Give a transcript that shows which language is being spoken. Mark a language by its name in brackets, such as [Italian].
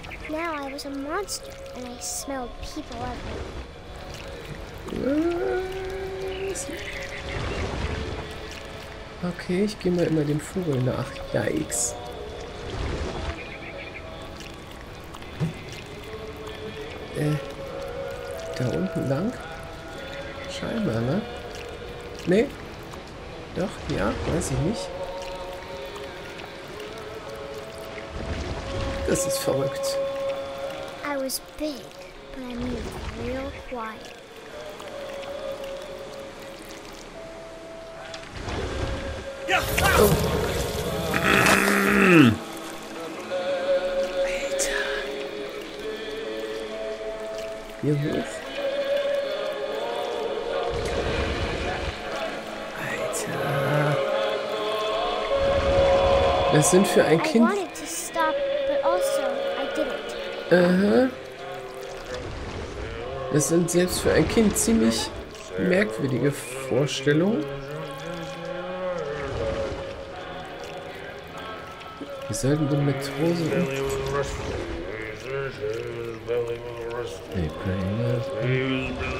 [English] Now I was a monster and I smelled people everywhere. [German] Okay, ich gehe mal immer dem Vogel nach. [English] Yikes. [German] Da unten lang? Scheinbar, ne? Nee? Doch, ja, weiß ich nicht. Das ist verrückt. [English] I was big, but I mean real quiet. [German] Oh. Alter. Hier hoch. Alter. Was sind für ein Kind? [English] I wanted to stop, but also I didn't. [German] Aha. Das sind selbst für ein Kind ziemlich merkwürdige Vorstellungen. Wir sollten den Matrosen umbringen.